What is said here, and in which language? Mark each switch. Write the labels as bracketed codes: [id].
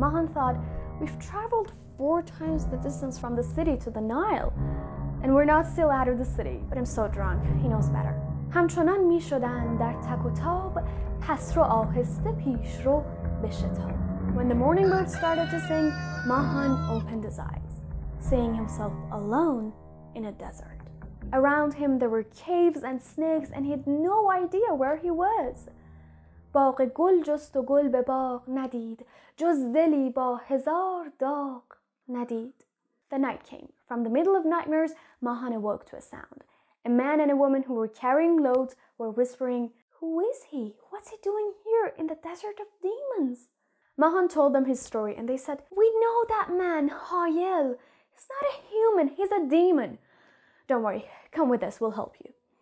[en] Mahan thought, "We've traveled 4 times the distance from the city to the Nile. And we're not still out of the city, but I'm so drunk, he knows better." [fa] همچنان می شدند در تک و تاب پس رو آهسته پیش رو بشتاب. [en] When the morning bird started to sing, Mahan opened his eyes, seeing himself alone in a desert. Around him there were caves and snakes, and he had no idea where he was. [fa] باغ گل جست و گل به باغ ندید جز دلی با هزار داغ ندید. [en] The night came. From the middle of nightmares, Mahan awoke to a sound. A man and a woman who were carrying loads were whispering, "Who is he? What's he doing here in the desert of demons?" Mahan told them his story and they said, "We know that man, Hayel. He's not a human, he's a demon. Don't worry, come with us, we'll help you."